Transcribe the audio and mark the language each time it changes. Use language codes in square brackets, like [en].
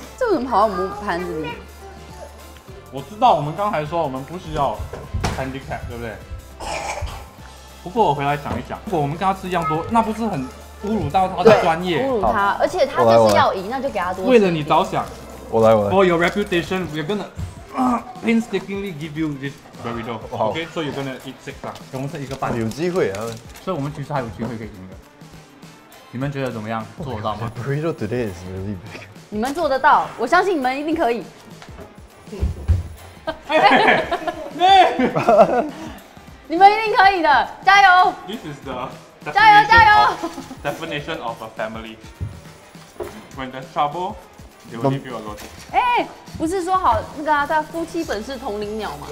[zh] 这怎么跑到我们盘子里？我知道，我们刚才说我们不需要 handicap， 对不对？不过我回来想一想，如果我们跟他吃一样多，那不是很侮辱到他的专业？侮辱他，而且他就是要赢，那就给他多吃一点。为了你着想，我来。 [en] For your reputation, we're gonna painstakingly give you this burrito. OK, so you're gonna eat six. [zh] 给我们剩一个半。有机会啊，所以我们其实还有机会可以赢的。你们觉得怎么样？做得到吗 [en] ？Burrito today is really big. [zh] 你们做得到，我相信你们一定可以。你们一定可以的，加油 [en] ！This is the [zh] 加油加油 [en] definition of a family. When there's trouble, they will leave you alone. [zh] 哎，不是说好那个啊，夫妻本是同林鸟吗